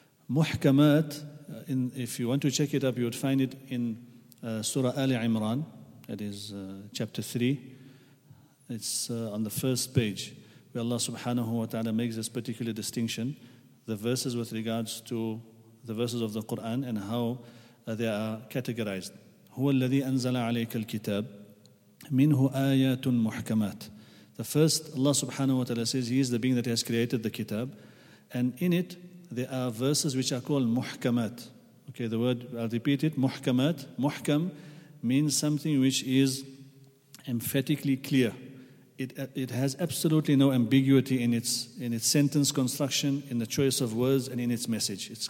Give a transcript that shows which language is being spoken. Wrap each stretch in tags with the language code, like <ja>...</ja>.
<en>Muhkamat, if you want to check it up, you would find it in Surah Ali Imran, that is chapter 3. It's on the first page, where Allah subhanahu wa ta'ala makes this particular distinction, the verses with regards to the verses of the Quran and how they are categorized.</en> <ar>هو الذي أنزل عليك الكتاب منه آيات محكمات.</ar> <en>The first, Allah subhanahu wa ta'ala says, He is the being that has created the kitab. And in it, there are verses which are called muhkamat. Okay, the word, I'll repeat it, muhkamat. Muhkam means something which is emphatically clear. It has absolutely no ambiguity in its sentence construction, in the choice of words, and in its message.</en>